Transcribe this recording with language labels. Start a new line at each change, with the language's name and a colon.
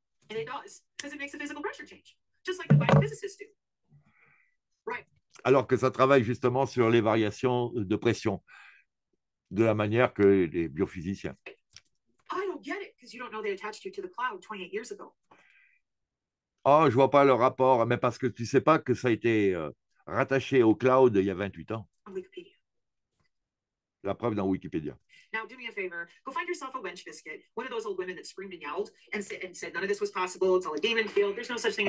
English: And it does, because it makes a physical pressure change, just like the biophysicists do. Right.
French: Alors que ça travaille justement sur les variations de pression, de la manière que les biophysiciens.
English: I don't get it, because you don't know they attached you to the cloud 28 years ago.
French: Oh, je vois pas le rapport, mais parce que tu sais pas que ça a été rattaché au cloud il y a 28 ans.
English: On Wikipedia.
French: La preuve dans Wikipédia.
English: Now do me a favor, go find yourself a wench biscuit, one of those old women that screamed and yelled and said none of this was possible, it's all a demon field, there's no such thing.